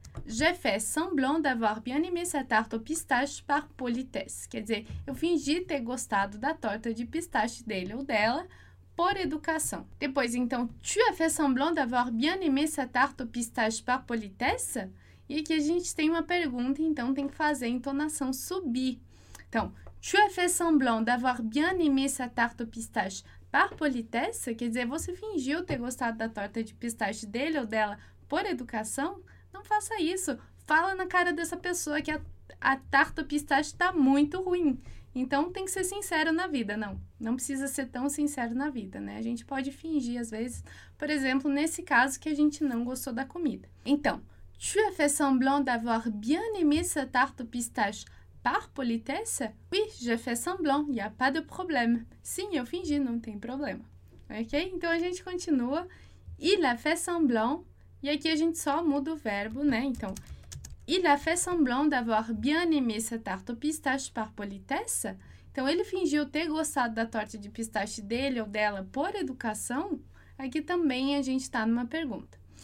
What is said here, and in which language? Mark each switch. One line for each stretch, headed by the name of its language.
French: J'ai fait semblant d'avoir bien aimé sa tarte au pistache par politesse.
Portuguese: Quer dizer, eu fingi ter gostado da torta de pistache dele ou dela por educação. Depois, então,
French: tu as fait semblant d'avoir bien aimé sa tarte au pistache par politesse?
Portuguese: E aqui a gente tem uma pergunta, então tem que fazer a entonação subir.
French: Então, tu as fait semblant d'avoir bien aimé sa tarte au pistache par politesse?
Portuguese: Quer dizer, você fingiu ter gostado da torta de pistache dele ou dela por educação? Não faça isso. Fala na cara dessa pessoa que a tarte au pistache está muito ruim. Então, tem que ser sincero na vida, não. Não precisa ser tão sincero na vida, né? A gente pode fingir, às vezes, por exemplo, nesse caso que a gente não gostou da comida.
French: Então, tu as fait semblant d'avoir bien aimé sa tarte au pistache par politesse? Oui, j'ai fait semblant, il n'y a pas de problème.
Portuguese: Sim, eu fingi, não tem problema. Ok? Então, a gente continua.
French: Il a fait semblant,
Portuguese: e aqui a gente só muda o verbo, né?
French: Então, il a fait semblant d'avoir bien aimé sa tarte au pistache par politesse.
Portuguese: Então, ele fingiu ter gostado da torta de pistache dele ou dela por educação. Aqui também a gente está numa pergunta.